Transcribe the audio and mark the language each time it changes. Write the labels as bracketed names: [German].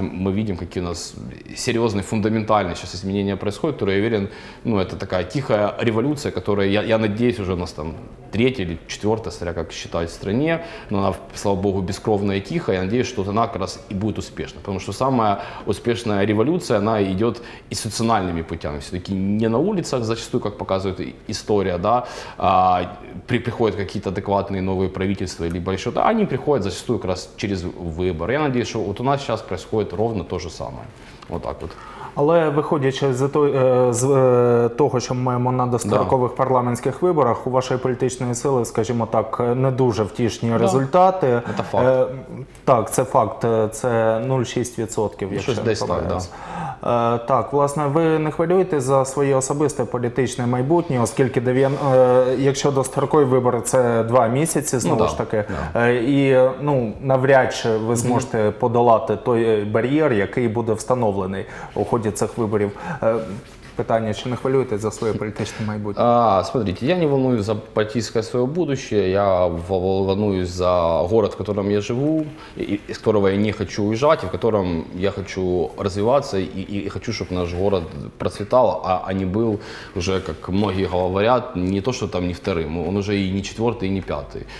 [Russian] Мы видим, какие у нас серьезные, фундаментальные сейчас изменения происходят, которые, я уверен, ну, это такая тихая революция, которая, я надеюсь, уже у нас там третья или четвертая, смотря как считать, в стране, но она, слава богу, бескровная и тихая, я надеюсь, что она как раз и будет успешна, потому что самая успешная революция, она идет институциональными путями, все-таки не на улицах, зачастую, как показывает история, да, приходят какие-то адекватные новые правительства, либо еще, да, они приходят зачастую как раз через выборы. Я надеюсь, [Ukrainian] що от у нас зараз відбувається ровно те ж саме. Отак от. Але виходячи з того, що ми маємо на дострокових парламентських виборах, у вашої політичної сили, скажімо так, не дуже втішні результати. Це факт. Так, це факт. Це 0,6%, якщо десь так, да. Так, власне, ви не хвилюєтесь за своє особисте політичне майбутнє, оскільки якщо дострокові вибори, це 2 місяці, знову ж таки. І навряд чи ви зможете подолати той бар'єр, який буде встановлений у ході цих виборів. Питання, чи не хвилюєтесь за своє політичне майбутнє? [Russian] Смотрите, я не волнуюсь за політичне своє будущее, я волнуюсь за город, в котором я живу, из которого я не хочу уезжать, в котором я хочу развиваться и хочу, чтобы наш город процветал, а не был уже, как многие говорят, не то, что там не вторым, он уже и не четвертый, и не пятый.